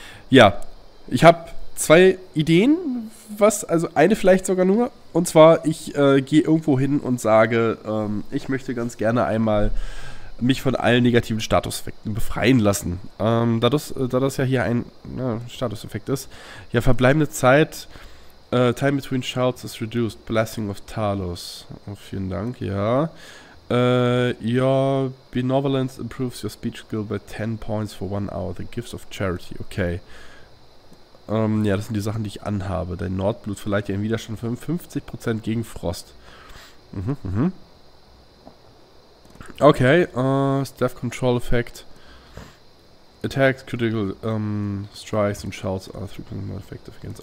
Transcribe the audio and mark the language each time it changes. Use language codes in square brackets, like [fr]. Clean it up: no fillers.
[de] Ja, ich habe zwei Ideen, eine vielleicht sogar nur. Und zwar, ich gehe irgendwo hin und sage, ich möchte ganz gerne einmal mich von allen negativen Statuseffekten befreien lassen. Da das ja hier ein Statuseffekt ist. Ja, verbleibende Zeit. [en] Time between shouts is reduced. Blessing of Talos. [de] Oh, vielen Dank, ja. [en] Your benevolence improves your speech skill by 10 points for 1 hour. The gifts of charity. Okay. [de] Ja, das sind die Sachen, die ich anhabe. Dein Nordblut verleiht dir einen Widerstand von 50% gegen Frost. [en] Okay, Staff Control Effect. Attacks, Critical Strikes und Shouts are 3% more effective against.